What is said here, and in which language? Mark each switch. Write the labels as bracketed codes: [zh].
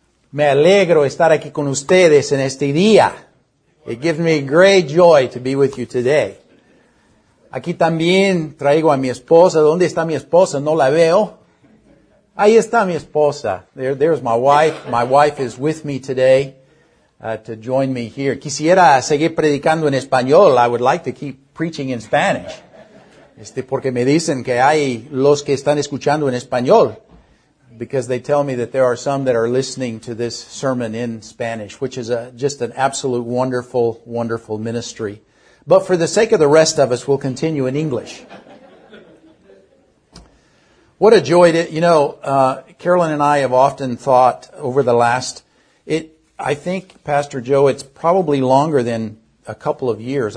[es] Me alegro estar aquí con ustedes en este día. [en] It gives me great joy to be with you today. [es] Aquí también traigo a mi esposa. ¿Dónde está mi esposa? No la veo. Ahí está mi esposa. [en] There's my wife. My wife is with me today to join me here. [es] Quisiera seguir predicando en español. [en] I would like to keep preaching in Spanish. [es] Porque me dicen que hay los que están escuchando en español. [en] Because they tell me that there are some that are listening to this sermon in Spanish, which is just an absolute wonderful, wonderful ministry. But for the sake of the rest of us, we'll continue in English. What a joy to, you know, Carolyn and I have often thought over the last, I think, Pastor Joe, it's probably longer than a couple of years.